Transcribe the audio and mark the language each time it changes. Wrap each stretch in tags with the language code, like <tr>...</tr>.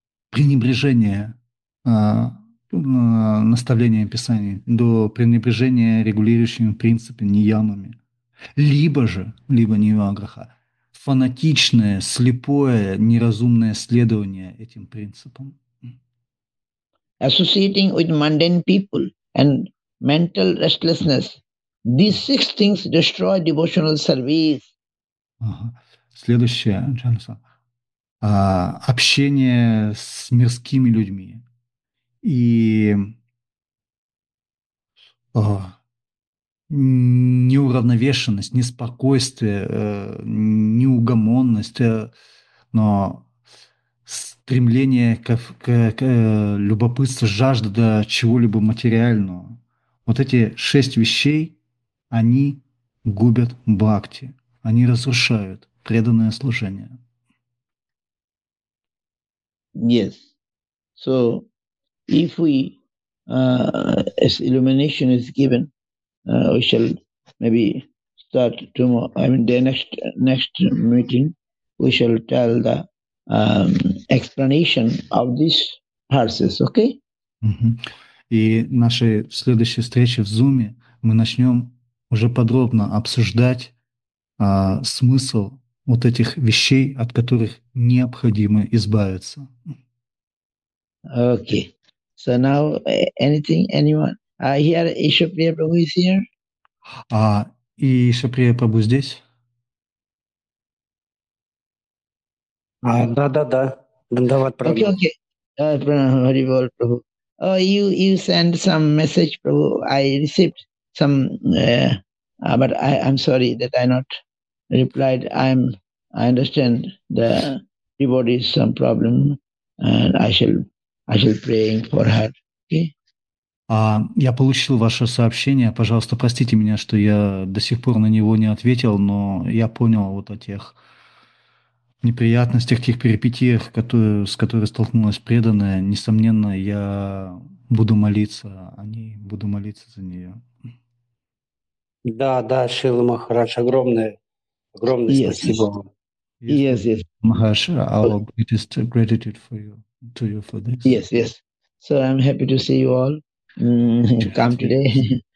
<ru>Пренебрежение наставлением Писания, до пренебрежения регулирующими принципами, ниямами. Либо ниямаграха, фанатичное, слепое, неразумное следование этим принципам.</ru> <en>Associating with mundane people and mental restlessness, these six things destroy devotional service.</en> <ru>Следующее, Джанса. Общение с мирскими людьми. И неуравновешенность, неспокойствие, неугомонность, но стремление к любопытству, жажда до чего-либо материального. Вот эти шесть вещей, они губят бхакти, они разрушают преданное служение.</ru> <en>Yes. So... If we, as illumination is given, we shall maybe start tomorrow. I mean, the next meeting, we shall tell the explanation of these verses. Okay.</en> <ru>И нашей следующей встрече в Zoom'е мы начнем уже подробно обсуждать смысл вот этих вещей, от которых необходимо избавиться.</ru> <en>Okay. So now, anything, anyone? Here, Ishapriya Prabhu is here. Ishapriya Prabhu is</en> <ru>здесь? Да. Дандават Прабху.</ru> <en>Okay. Very well, Prabhu. You send some message, Prabhu. I received some, but I'm sorry that I not replied. I understand the devotee is some problem, and I shall praying for her. Okay.</en> <ru>Я получил ваше сообщение. Пожалуйста, простите меня, что я до сих пор на него не ответил, но я понял вот о тех неприятностях, тех перипетиях, с которыми столкнулась преданная. Несомненно, я буду молиться о ней, буду молиться за нее. Да, Шрила Махарадж, огромное спасибо вам.</ru> <en>Yes. Махарадж, our greatest gratitude for you. To you for this. Yes. So I'm happy to see you all come today.</en>